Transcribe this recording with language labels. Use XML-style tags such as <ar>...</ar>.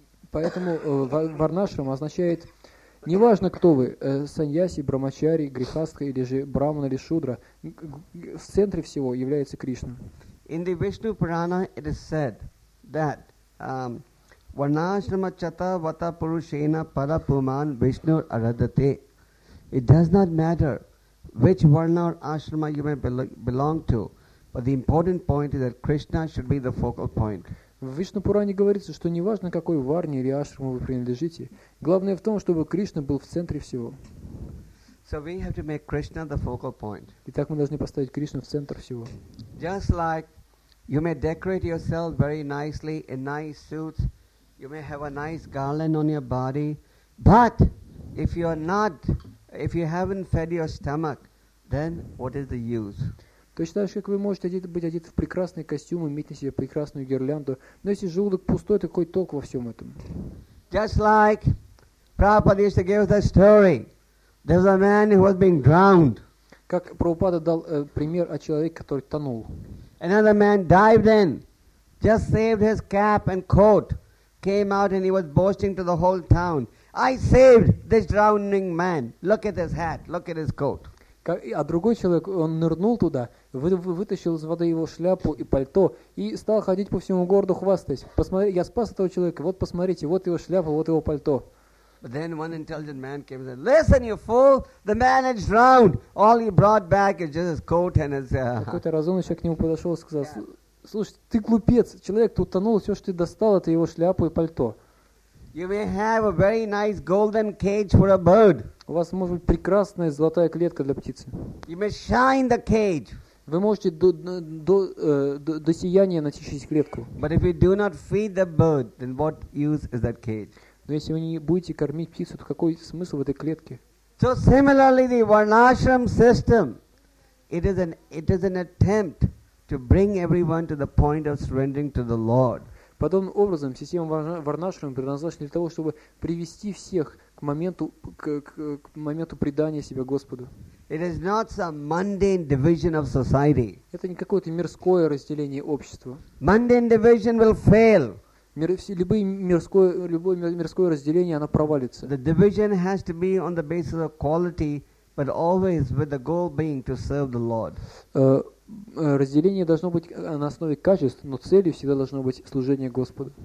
<ru>Поэтому Варнашрама означает, неважно кто вы, Саньяси, Брахмачари, Грихастха или же Брахман или Шудра, в центре всего является Кришна.</ru> <en>In the Vishnu Purana it is said that</en> <sa>Varnashrama Chata Vata Purushena Parapuman Vishnu Aradate.</sa> <en>It does not matter which varna or ashrama you may belong to, but the important point is that Krishna should be the focal point.</en> <ru>В Вишнапуране говорится, что неважно, какой варне или ашраму вы принадлежите, главное в том, чтобы Кришна был в центре всего.</ru> <en>So we have to make Krishna the focal point.</en> <ru>Итак, мы должны поставить Кришну в центр всего.</ru> <en>Just like you may decorate yourself very nicely in nice suits, you may have a nice garland on your body, but if you haven't fed your stomach, then what is the use?</en> <ru>Точно так же, как вы можете быть одеты в прекрасный костюм и иметь на себе прекрасную гирлянду, но если желудок пустой, то какой толк во всем этом?</ru> <en>Just like Prabhupada used to give that story. There was a man who was being drowned.</en> <ru>Как Прабхупада дал пример о человеке, который тонул.</ru> <en>Another man dived in, just saved his cap and coat, came out and he was boasting to the whole town. I saved this drowning man. Look at his hat, look at his coat.</en> <ru>А другой человек, он нырнул туда, вытащил из воды его шляпу и пальто и стал ходить по всему городу, хвастаясь. Посмотри, я спас этого человека, вот посмотрите, вот его шляпа, вот его пальто.</ru> <en>But then one intelligent man came and said, listen, you fool, the man is drowned. All he brought back is just his coat and his...</en> <ru>Какой-то разумный человек к нему подошел и сказал, слушай, ты глупец, человек утонул, все, что ты достал, это его шляпу и пальто.</ru> <en>You may have a very nice golden cage for a bird.</en> <ru>У вас может быть прекрасная золотая клетка для птицы.</ru> <en>You may shine the cage.</en> <ru>Вы можете до сияния начищить клетку.</ru> <en>But if you do not feed the bird, then what use is that cage?</en> <ru>Но если вы не будете кормить птицу, то какой смысл в этой клетке?</ru> <en>So similarly, the varnashram system, it is an attempt to bring everyone to the point of surrendering to the Lord.</en> <ru>Подобным образом, система варнашрама предназначена для того, чтобы привести всех к моменту предания себя Господу.</ru> <en>It is not some mundane division of society.</en> <ru>Это не какое-то мирское разделение общества.</ru> <en>Mundane division will fail.</en> <ru>Любое мирское разделение, оно провалится.</ru> <en>The division has to be on the basis of quality, but always with the goal being to serve the Lord.</en> <ru>Разделение должно быть на основе качеств, но целью всегда должно быть служение Господу.</ru>